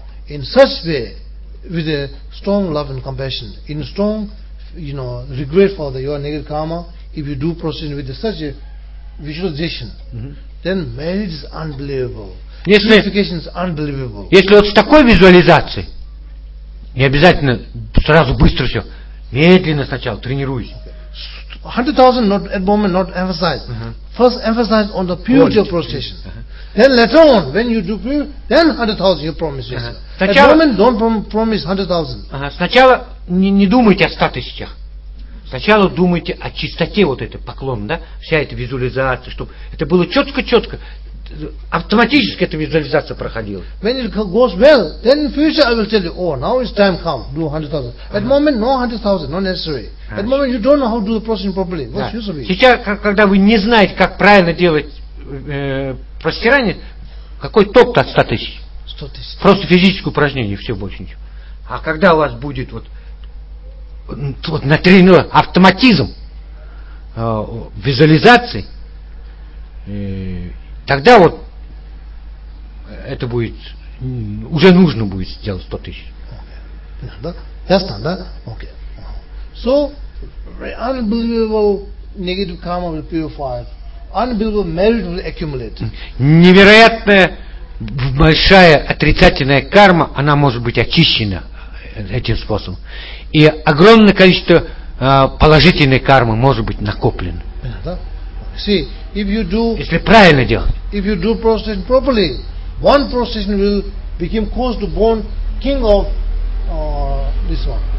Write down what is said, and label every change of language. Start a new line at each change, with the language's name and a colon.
English: In such way, with a strong love and compassion, in strong, you know, regret for the, your negative karma, if you do proceed with such a visualization, then marriage is unbelievable. Purification is unbelievable.
Russian: Если вот с такой визуализацией, не обязательно сразу быстро все, медленно сначала тренируйся.
English: 100,000 not at moment not emphasized. First emphasize on the purity of prostration. Then later on, when you do pure, then 100,000 you promise yourself. Сначала, at moment don't promise 100,000.
Russian: Сначала не думайте о 100,000. Сначала думайте о чистоте вот этой поклон, да? Вся эта визуализация, чтобы это было четко-четко. Автоматически эта визуализация проходила.
English: When it goes well, then in future I will tell you, oh, now it's time come, do 100,000. At moment, no 100,000, not necessary. At moment, you don't know how to do the process properly. What's use of it?
Russian: Сейчас, когда вы не знаете, как правильно делать простирание, какой топ-то от 100,000? 100,000. Просто физическое упражнение, все больше ничего. А когда у вас будет вот натренирован автоматизм визуализации, тогда вот это будет, уже нужно будет сделать 100,000. Да? Ясно, да? Окей.
English: So, unbelievable negative karma will purify. Unbelievable merit will accumulate.
Russian: Невероятная большая отрицательная карма, она может быть очищена этим способом. И огромное количество положительной кармы может быть накоплено.
English: Да? See, if you do,
Russian: если правильно делать,
English: if you do prostration properly, one prostration will become cause to born king of this one.